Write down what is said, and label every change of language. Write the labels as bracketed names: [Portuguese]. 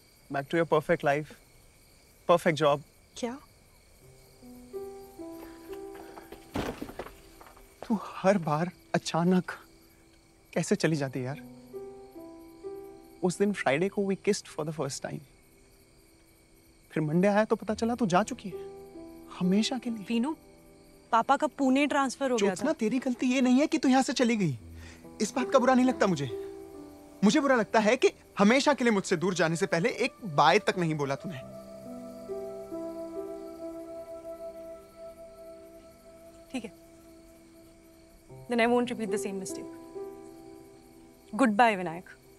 [English] Back to your perfect life, perfect job. [Hindi] क्या? तू हर बार अचानक कैसे चली जाती है यार? उस दिन फ्राइडे को [English] we kissed for the first time, [Hindi] फिर मंडे आया तो पता चला तू जा चुकी है हमेशा के लिए। वीनू, पापा का पुणे ट्रांसफर हो गया था। जो इतना तेरी गलती ये नहीं है कि तू यहाँ से चली गई, इस बात का बुरा नहीं लगता मुझे। मुझे बुरा लगता है कि हमेशा के लिए मुझसे दूर जाने से पहले एक बाय तक नहीं बोला तूने। ठीक है, [English] then I won't repeat the same mistake. Goodbye, Vinayak.